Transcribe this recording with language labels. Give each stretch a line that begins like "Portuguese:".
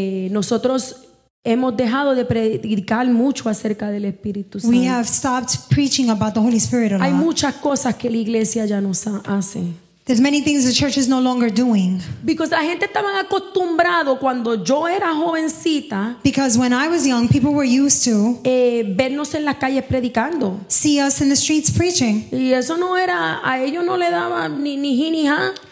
Spanish: Nosotros hemos dejado de predicar mucho acerca del Espíritu Santo.
English: We have stopped preaching about the Holy Spirit a lot.
Spanish: Hay muchas cosas que la iglesia ya no hace.
English: There's many things the church is no longer doing. Because
Spanish: la gente estaba acostumbrado cuando yo era jovencita.
English: Because when I was young, people were used to
Spanish: vernos en las calles predicando.
English: See us in the streets preaching.
Spanish: Y eso no era a ellos no le daba ni hi ni ha.